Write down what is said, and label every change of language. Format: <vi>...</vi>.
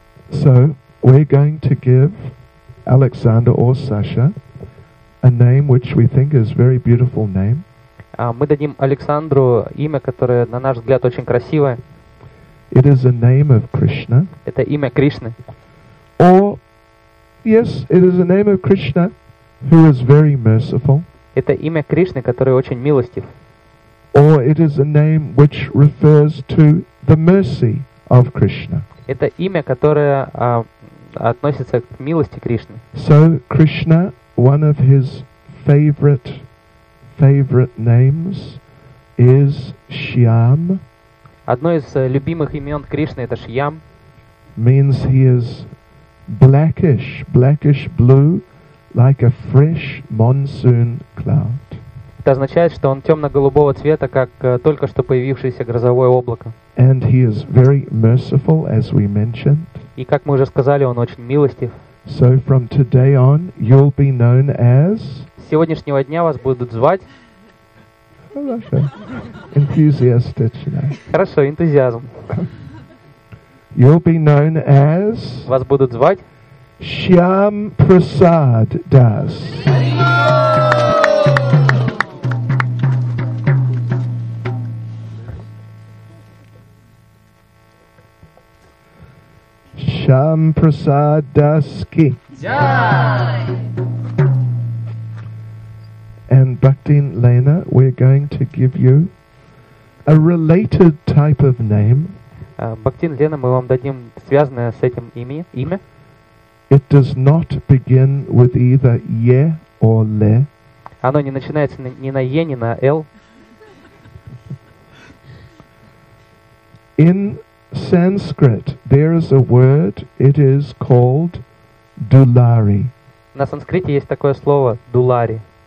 <en>So we're going to give Alexander or Sasha a name which we think is very beautiful name.</en> <ru>Мы дадим Александру имя, которое на наш взгляд очень красивое.</ru> <en>It is a name of Krishna.</en> <ru>Это имя Кришны.</ru> <en>Or yes, it is a name of Krishna. Who is very merciful?</en> <ru>Это имя Кришны, который очень милостив.</ru> <en>Or it is a name which refers to the mercy of Krishna.</en> <ru>Это имя, которое относится к милости Кришны.</ru> <en>So Krishna, one of his favorite names is Shyam.</en> <ru>Одно из любимых имен Кришны это Шьям.</ru> <en>Means he is blackish blue. Like a fresh monsoon cloud.</en> <ru>Это означает, что он темно-голубого цвета, как только что появившееся грозовое облако.</ru> <en>And he is very merciful, as we mentioned.</en> <ru>И как мы уже сказали, он очень милостив.</ru> <en>So from today on, you'll be known as.</en> <ru>С сегодняшнего дня вас будут звать. Хорошо.</ru> <en>Enthusiastically.</en> <ru>Хорошо, энтузиазм.</ru> <en>You'll be known as.</en> <ru>Вас будут звать.</ru> <sa>Shyam Prasad Das. Shyam Prasad Das ki. Jai.</sa> <en>And Bhaktin Lena, we're going to give you a related type of name.</en> <ru>Bhaktin Lena, мы вам дадим связанное с этим имя.</ru> <en>It does not begin with either ye or le.</en> <ru>Оно не начинается ни на е, ни на л.</ru> <en>In Sanskrit, there is a word. It is called dulari.</en> <ru>На санскрите есть такое слово дулари.</ru>